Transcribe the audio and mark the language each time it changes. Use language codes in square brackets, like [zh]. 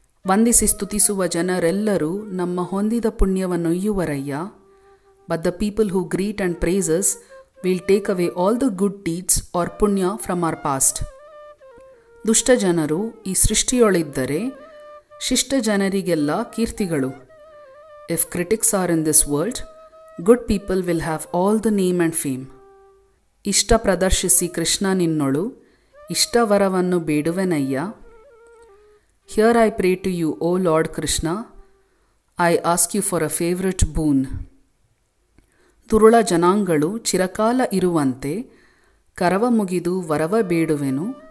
[kn] ವಂದಿಸಿ ಸ್ತುತಿಸುವ ಜನರೆಲ್ಲರೂ ನಮ್ಮ ಹೊಂದಿದ ಪುಣ್ಯವನ್ನೊಯ್ಯುವರಯ್ಯ. [en] But the people who greet and praises will take away all the good deeds our ಪುಣ್ಯ from our past. [kn] ದುಷ್ಟಜನರು ಈ ಸೃಷ್ಟಿಯೊಳಿದ್ದರೆ ಶಿಷ್ಟಜನರಿಗೆಲ್ಲ ಕೀರ್ತಿಗಳು. [en] If critics are in this world, good people will have all the name and fame. [kn] ಇಷ್ಟ ಪ್ರದರ್ಶಿಸಿ Krishna ನಿನ್ನೊಳು ಇಷ್ಟವರವನ್ನು ಬೇಡುವೆನಯ್ಯ. [en] Here I pray to you O Lord Krishna, I ask you for a favourite boon. [kn] ದುರುಳ ಜನಾಂಗಗಳು ಚಿರಕಾಲ ಇರುವಂತೆ ಕರವ ಮುಗಿದು ವರವ ಬೇಡುವೆನು.